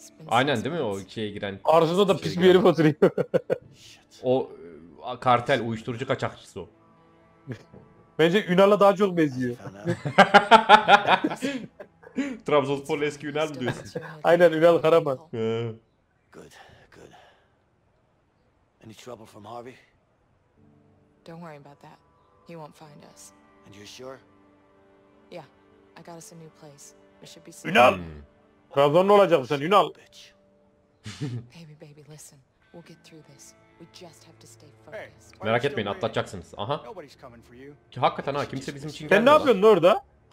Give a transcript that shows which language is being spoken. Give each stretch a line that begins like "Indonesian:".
Turkish: Aynen değil mi o ikiye giren? Arzuda da pis bir herif oturuyor. O kartel uyuşturucu kaçakçısı o. Bence Ünal'a daha çok benziyor. Trabzonspor eski Ünal mı diyorsun? Aynen Ünal Karaman.
English: Good, good. Any trouble from Harvey? Don't worry about that. He won't find us. And you're sure? Yeah, I got us a new place. It should be safe. Ünal!
Turkish: Trabzon ne olacak sen Ünal?
English: Baby baby listen, we'll get through this. We just have to stay focused.
Turkish: Merak etmeyin, atlatacaksınız. Aha.
English: Nobody's coming for you.
Turkish: Ki hakikaten ha, kimse bizim için gelmiyor. Sen ne yapıyorsun orada?